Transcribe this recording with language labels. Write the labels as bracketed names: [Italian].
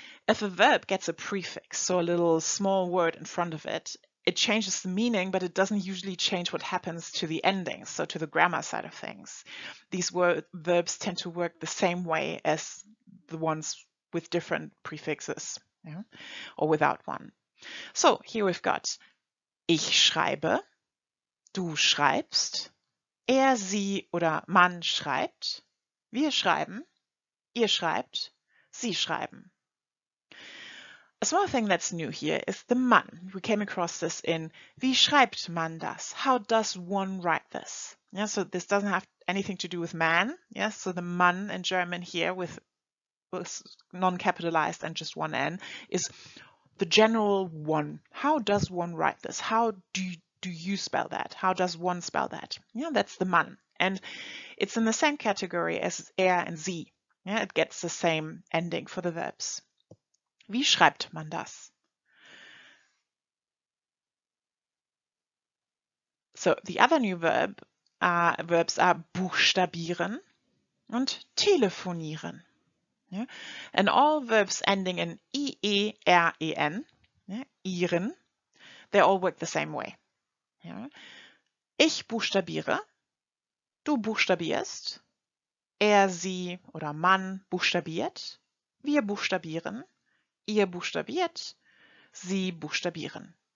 [English] If a verb gets a prefix, so a little small word in front of it, it changes the meaning, but it doesn't usually change what happens to the ending, so to the grammar side of things. These verbs tend to work the same way as the ones with different prefixes, yeah, or without one. So here we've got [German] ich schreibe, du schreibst, sie oder man schreibt, wir schreiben, ihr schreibt, sie schreiben. [English] A small thing that's new here is the man. We came across this in [German] wie schreibt man das? [English] How does one write this? Yeah, so this doesn't have anything to do with man. Yeah, so the man in German here with non-capitalized and just one N is the general one. How does one write this? How do you spell that? How does one spell that? Yeah, that's the man. And it's in the same category as and sie. Yeah, it gets the same ending for the verbs. [German] Wie schreibt man das? [English] So the other new verbs are buchstabieren und telefonieren. Yeah. And all verbs ending in ieren, yeah, ihren, they all work the same way. Yeah. [German] Ich buchstabiere, du buchstabierst, sie oder man buchstabiert, wir buchstabieren, ihr buchstabiert, sie buchstabieren.